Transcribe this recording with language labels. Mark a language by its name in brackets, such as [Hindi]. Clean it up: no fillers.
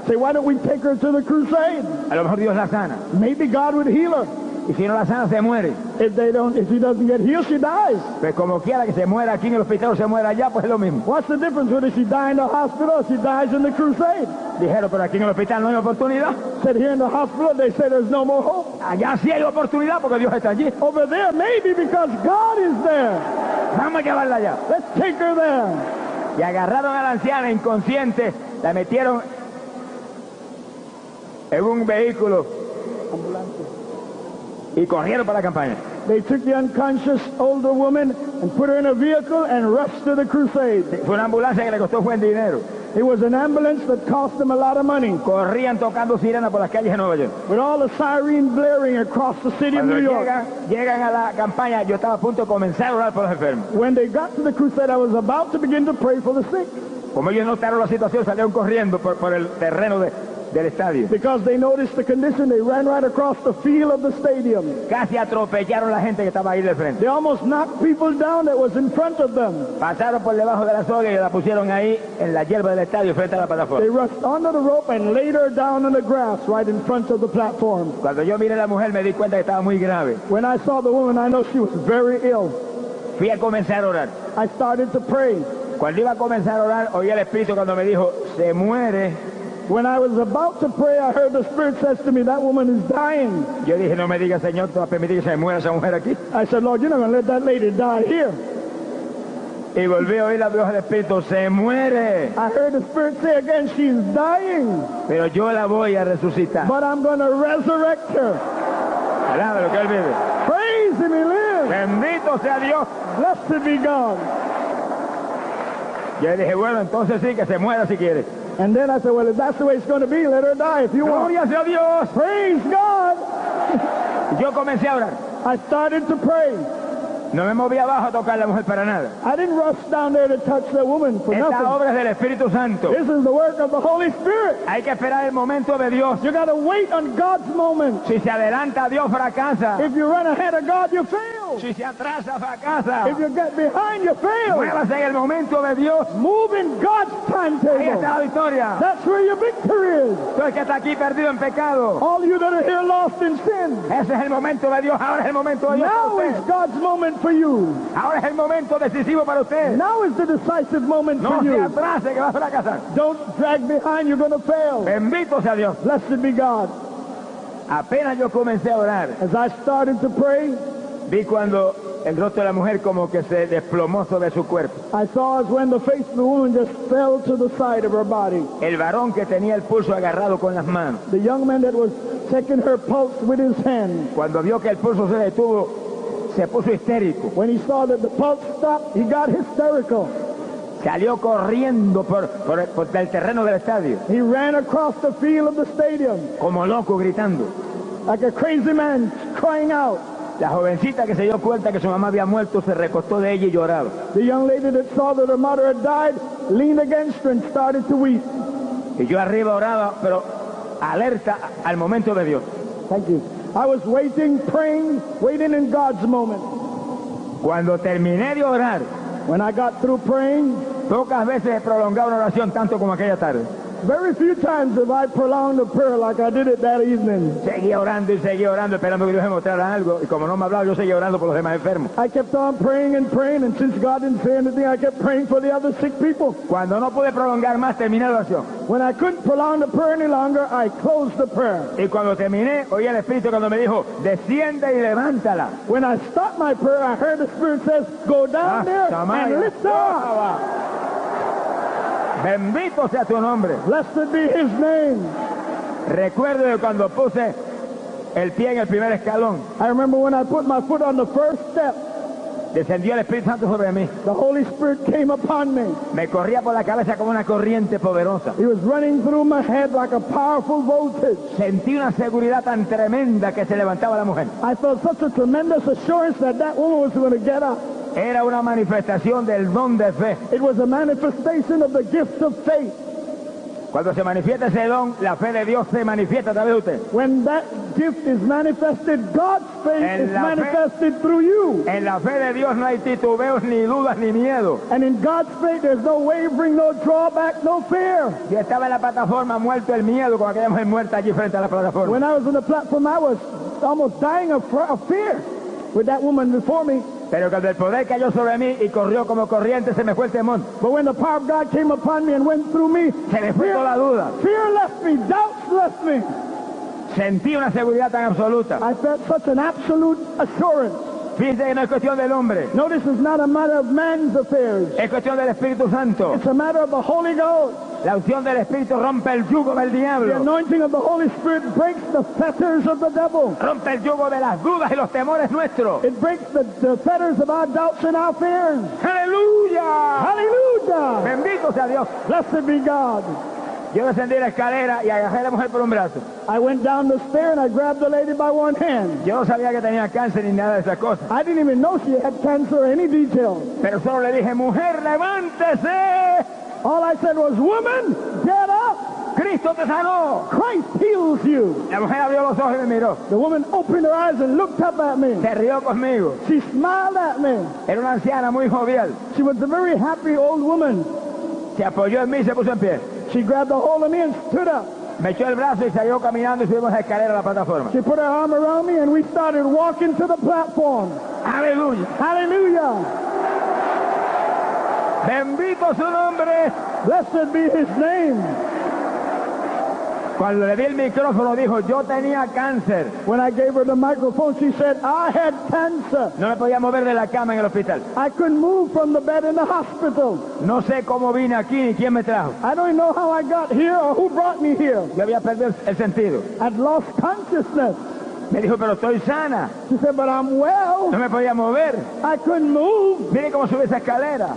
[English] Say, why don't we take her to the crusade? [Spanish] A lo mejor Dios la sana. [English] Maybe God would heal her. [Spanish] Y si no la sana, se muere. [English] If she doesn't get healed, she dies. [Spanish] Pues como quiera que se muera aquí en el hospital o se muera allá, pues es lo mismo. [English] What's the difference whether she dies in the hospital or she dies in the crusade? [Spanish] Dijeron, pero aquí en el hospital no hay oportunidad. [English] Said here in the hospital, they say there's no more hope. [Spanish] Allá sí hay oportunidad porque Dios está allí. [English] Over there, maybe because God is there. [Spanish] Vamos a llevarla allá. [English] Let's take her there. [Spanish] Y agarraron a la anciana inconsciente, la metieron en un vehículo. Ambulante. Y corrieron para la campaña. [English] They took the unconscious older woman and put her in a vehicle and rushed to the crusade. [Spanish] Fue una ambulancia que le costó buen dinero. [English] It was an ambulance that cost them a lot of money. [Spanish] Corrían tocando sirena por las calles de Nueva York. [English] With all the siren blaring across the city [Spanish] cuando [English] of New York. [Spanish] Llegan a la campaña, yo estaba a punto de comenzar a orar por los enfermos. [English] When they got to the crusade, I was about to begin to pray for the sick. [Spanish] Como ellos notaron la situación, salieron corriendo por el terreno del estadio. [English] Because they noticed the condition, they ran right across the field of the stadium. [Spanish] Casi atropellaron la gente que estaba ahí de frente. [English] They almost knocked people down that was in front of them. [Spanish] Pasaron por debajo de la soga y la pusieron ahí en la hierba del estadio frente a la plataforma. [English] They rushed under the rope and laid her down on the grass right in front of the platform. [Spanish] Cuando yo miré a la mujer, me di cuenta que estaba muy grave. [English] When I saw the woman, I know she was very ill. [Spanish] Fui a comenzar a orar. [English] I started to pray. [Spanish] Cuando iba a comenzar a orar, oí el Espíritu cuando me dijo, se muere [English] When I was about to pray, I heard the Spirit says to me, that woman is dying. [Spanish] Yo dije, no me diga, Señor, tú vas a permitir que se muera esa mujer aquí. [English] I said, Lord, you're not going to let that lady die here. [Spanish] Y volví a oír la voz del Espíritu, se muere. [English] I heard the Spirit say again, she's dying. [Spanish] Pero yo la voy a resucitar. [English] But I'm going to resurrect her. [Spanish] Alábalo, que él vive. [English] Praise him, he lives. [Spanish] Bendito sea Dios. [English] Blessed be God. [Spanish] Yo dije, bueno, entonces sí, que se muera si quiere. [English] And then I said, well, if that's the way it's going to be, let her die if you want. [Spanish] Gloria sea Dios. [English] Praise God. [Spanish] Yo comencé a orar. [English] I started to pray. [Spanish] No me moví abajo a tocar la mujer para nada. [English] I didn't rush down there to touch the woman for [Spanish] Esta [English] nothing. [Spanish] Esta obra es del Espíritu Santo. [English] This is the work of the Holy Spirit. [Spanish] Hay que esperar el momento de Dios. [English] You got to wait on God's moment. [Spanish] Si se adelanta, Dios fracasa. [English] If you run ahead of God, you fail. [Spanish] Si se atrasa, fracasa. [English] If you get behind, you fail. [Spanish] Muévase en el momento de Dios. [English] Move in God's timetable. [Spanish] Ahí está la victoria. [English] That's where your victory is. [Spanish] Tú el que está aquí perdido en pecado. [English] All you that are here lost in sin. [Spanish] Ese es el momento de Dios. Ahora es el momento de Dios. [English] Now is God's moment for you. [Spanish] Ahora es el momento decisivo para usted. [English] Now is the decisive moment [Spanish] no [English] for you. [Spanish] No se atrase, que va a fracasar. [English] Don't drag behind, you're going to fail. [Spanish] Bendito sea Dios. [English] Blessed be God. [Spanish] Apenas yo comencé a orar. [English] As I started to pray, [Spanish] vi cuando el rostro de la mujer como que se desplomó sobre su cuerpo. [English] I saw as when the face of the woman just fell to the side of her body. [Spanish] El varón que tenía el pulso agarrado con las manos. [English] The young man that was taking her pulse with his hand. [Spanish] Cuando vio que el pulso se detuvo, se puso histérico. [English] When he saw that the pulse stopped, he got hysterical. [Spanish] Salió corriendo por el terreno del estadio. [English] He ran across the field of the stadium. [Spanish] Como loco gritando. [English] Like a crazy man crying out. [Spanish] La jovencita que se dio cuenta que su mamá había muerto se recostó de ella y lloraba. [English] The young lady that saw that her mother had died leaned against her and started to weep. [Spanish] Y yo arriba oraba, pero alerta al momento de Dios. [English] Thank you. I was waiting, praying, waiting in God's moment. [Spanish] Cuando terminé de orar, [English] when I got through praying, [Spanish] pocas veces he prolongado una oración tanto como aquella tarde. [English] Very few times have I prolonged a prayer like I did it that evening. [Spanish] Seguí orando y seguí orando, esperando que Dios me mostrara algo. Y como no me hablaba, yo seguí orando por los demás enfermos. [English] I kept on praying and praying, and since God didn't say anything, I kept praying for the other sick people. [Spanish] Cuando no pude prolongar más, terminé la oración. [English] When I couldn't prolong the prayer any longer, I closed the prayer. [Spanish] Y cuando terminé, oí el Espíritu cuando me dijo, desciende y levántala. [English] When I stopped my prayer, I heard the Spirit says, go down there and lift up. [Spanish] Bendito sea tu nombre. [English] Blessed be his name. [Spanish] Recuerdo cuando puse el pie en el primer escalón. [English] I remember when I put my foot on the first step. [Spanish] Descendió el Espíritu Santo sobre mí. [English] The Holy Spirit came upon me. [Spanish] Me corría por la cabeza como una corriente poderosa. [English] He was running through my head like a powerful voltage. [Spanish] Sentí una seguridad tan tremenda que se levantaba la mujer. [English] I felt such a tremendous assurance that that woman was going to get up. [Spanish] Era una manifestación del don de fe. [English] It was a manifestation of the gift of faith. [Spanish] Cuando se manifiesta ese don, la fe de Dios se manifiesta a través de usted. [English] When that gift is manifested, God's faith is manifested through you. [Spanish] En la fe de Dios no hay titubeos, ni dudas, ni miedo. [English] And in God's faith, there's no wavering, no drawback, no fear. [Spanish] Yo estaba en la plataforma muerto el miedo con aquella mujer muerta allí frente a la plataforma. [English] When I was on the platform, I was almost dying of fear with that woman before me. [Spanish] Pero cuando el poder cayó sobre mí y corrió como corriente, se me fue el temor. [English] But when the power of God came upon me and went through me, [Spanish] se me fue toda la duda. [English] Fear left me, doubts left me. [Spanish] Sentí una seguridad tan absoluta. [English] I felt such an absolute assurance. [Spanish] Fíjense que no es cuestión del hombre. [English] Notice it's not a matter of man's affairs. [Spanish] Es cuestión del Espíritu Santo. [English] It's a matter of the Holy Ghost. [Spanish] La unción del Espíritu rompe el yugo del diablo. [English] The anointing of the Holy Spirit breaks the fetters of the devil. [Spanish] Rompe el yugo de las dudas y los temores nuestros. [English] It breaks the fetters of our doubts and our fears. [Spanish] ¡Aleluya! [English] ¡Aleluya! [Spanish] Bendito sea Dios. [English] Blessed be God. [Spanish] Yo descendí la escalera y agarré a la mujer por un brazo. [English] I went down the stair and I grabbed the lady by one hand. [Spanish] Yo no sabía que tenía cáncer ni nada de esas cosas. [English] I didn't even know she had cancer or any details. [Spanish] Pero solo le dije, mujer, levántese. [English] All I said was, woman, get up. [Spanish] Cristo te sanó. [English] Christ heals you. [Spanish] La mujer abrió los ojos y me miró. [English] The woman opened her eyes and looked up at me. [Spanish] Se rió conmigo. [English] She smiled at me. [Spanish] Era una anciana muy jovial. [English] She was a very happy old woman. [Spanish] Se apoyó en mí y se puso en pie. [English] She grabbed a hold of me and stood up. [Spanish] Me echó el brazo y salió caminando y subimos la escalera a la plataforma. [English] She put her arm around me and we started walking to the platform. [Spanish] Aleluya. [English] Hallelujah. [Spanish] Bendito su nombre. [English] Blessed be his name. [Spanish] Cuando le di el micrófono dijo, yo tenía cáncer. [English] When I gave her the microphone, she said, I had cancer. [Spanish] No me podía mover de la cama en el hospital. [English] I couldn't move from the bed in the hospital. [Spanish] No sé cómo vine aquí ni quién me trajo. [English] I don't know how I got here or who brought me here. [Spanish] Yo había perdido el sentido. [English] I'd lost consciousness. [Spanish] Me dijo, pero estoy sana. [English] She said, but I'm well. [Spanish] No me podía mover. [English] I couldn't move. [Spanish] Mire cómo subí esa escalera.